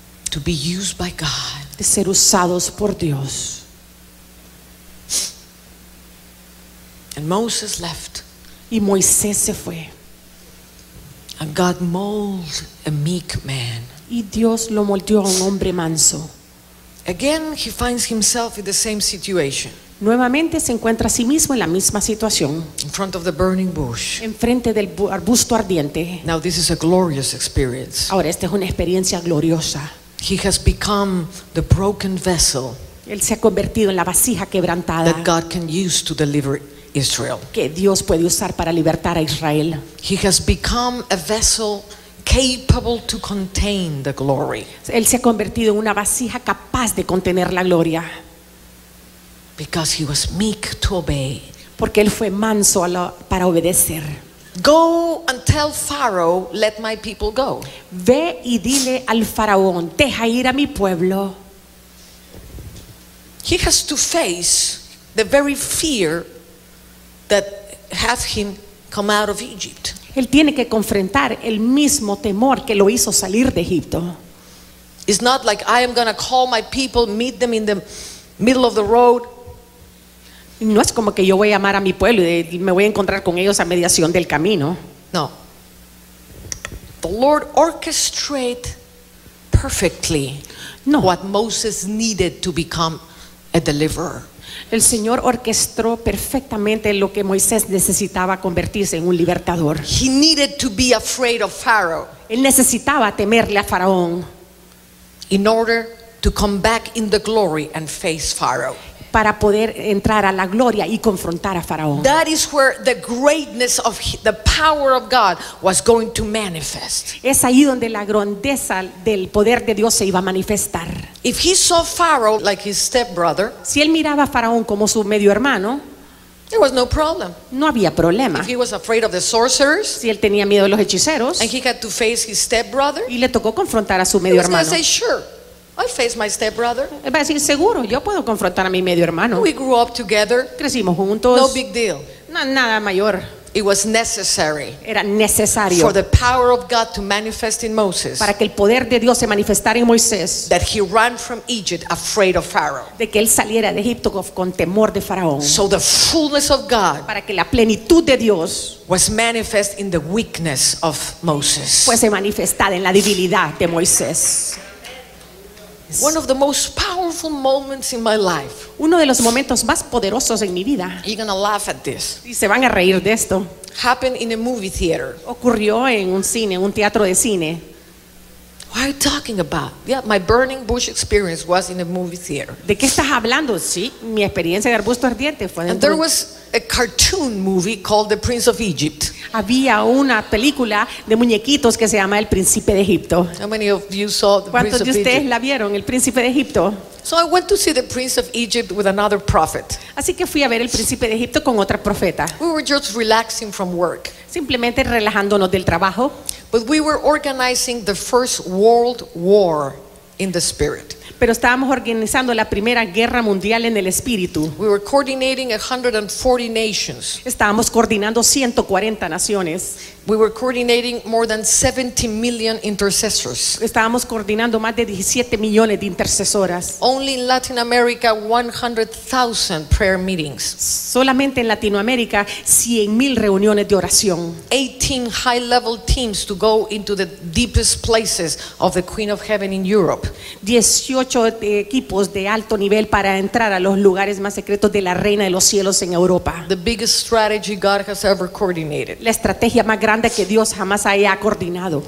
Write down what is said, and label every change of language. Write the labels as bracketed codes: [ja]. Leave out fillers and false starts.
[en] To be used by God. [es] De ser usados por Dios. [en] And Moses left. [es] Y Moisés se fue. [en] And God molded a meek man. [es] Y Dios lo moldeó a un hombre manso. [en] Again, he finds himself in the same situation. [es] Nuevamente se encuentra a sí mismo en la misma situación. [en] In front of the burning bush. [es] Enfrente del arbusto ardiente. [en] Now this is a glorious experience. [es] Ahora esta es una experiencia gloriosa. [en] He has become the broken vessel. [es] Él se ha convertido en la vasija quebrantada. [en] That God can use to deliver Israel. [es] Que Dios puede usar para libertar a Israel. [en] He has become a vessel capable to contain the glory. [es] Él se ha convertido en una vasija capaz de contener la gloria. [en] Because he was meek to obey. [es] Porque él fue manso para obedecer. [en] Go and tell Pharaoh, let my people go. [es] Ve y dile al faraón, deja ir a mi pueblo. [en] He has to face the very fear that had him come out of Egypt. [es] Él tiene que confrontar el mismo temor que lo hizo salir de Egipto. [en] It's not like I am going to call my people, meet them in the middle of the road. [es] No es como que yo voy a amar a mi pueblo y me voy a encontrar con ellos a mediación del camino. [en] No. The Lord orchestrated perfectly. [es] No. [en] What Moses needed to become a deliverer. [es] El Señor orquestó perfectamente lo que Moisés necesitaba convertirse en un libertador. [en] He needed to be afraid of Pharaoh. [es] Él necesitaba temerle a Faraón. [en] In order to come back in the glory and face Pharaoh. [es] para poder entrar a la gloria y confrontar a Faraón. [en] That is where the greatness of the power of God was going to manifest. [es] Es ahí donde la grandeza del poder de Dios se iba a manifestar. [en] If he saw Pharaoh like his stepbrother, [es] si él miraba a Faraón como su medio hermano, [en] there was no problem. [es] No había problema. [en] If he was afraid of the sorcerers, [es] si él tenía miedo de los hechiceros, [en] and he had to face his stepbrother, [es] y le tocó confrontar a su medio hermano, [en] he was going to say, sure, I face my stepbrother. [es] Él va a decir, seguro, yo puedo confrontar a mi medio hermano. [en] We grew up together. [es] Crecimos juntos. [en] No big deal. [es] No, nada mayor. [en] It was necessary. [es] Era necesario. [en] For the power of God to manifest in Moses. [es] Para que el poder de Dios se manifestara en Moisés. [en] That he ran from Egypt afraid of Pharaoh. [es] De que él saliera de Egipto con temor de Faraón. [en] So the fullness of God. [es] Para que la plenitud de Dios [en] was manifest in the weakness of Moses. [es] Fuese manifestada en la debilidad de Moisés. [en] One of the most powerful moments in my life. [es] Uno de los momentos más poderosos en mi vida. [en] You're gonna laugh at this. [es] Y se van a reír de esto. [en] Happened in a movie theater. [es] Ocurrió en un cine, un teatro de cine. [en] What are you talking about? Yeah, my burning bush experience was in a movie theater. [es] ¿De qué estás hablando? Sí, mi experiencia de arbusto ardiente fue en. [en] And there was a cartoon movie called The Prince of Egypt. [es] Había una película de muñequitos que se llama El Príncipe de Egipto. [en] How many of you saw The [es] ¿Cuántos [en] Prince [es] de ustedes [en] of Egypt? [es] La vieron, El Príncipe de Egipto? [en] So I went to see The Prince of Egypt with another prophet. [es] Así que fui a ver El Príncipe de Egipto con otra profeta. [en] We were just relaxing from work. [es] Simplemente relajándonos del trabajo. [en] But we were organizing the first world war in the spirit. [es] Pero estábamos organizando la primera guerra mundial en el espíritu. [en] We were coordinating 140 nations. [es] Estábamos coordinando 140 naciones. [en] We were coordinating more than 70 million intercessors. [es] Estábamos coordinando más de 17 millones de intercesoras. [en] Only in Latin America 100,000 prayer meetings. [es] Solamente en Latinoamérica 100,000 reuniones de oración. [en] 18 high level teams to go into the deepest places of the Queen of Heaven in Europe. [es] 18 equipos de alto nivel para entrar a los lugares más secretos de la Reina de los Cielos en Europa. [en] The biggest strategy God has ever coordinated. [es] La estrategia más grande que Dios jamás haya coordinado.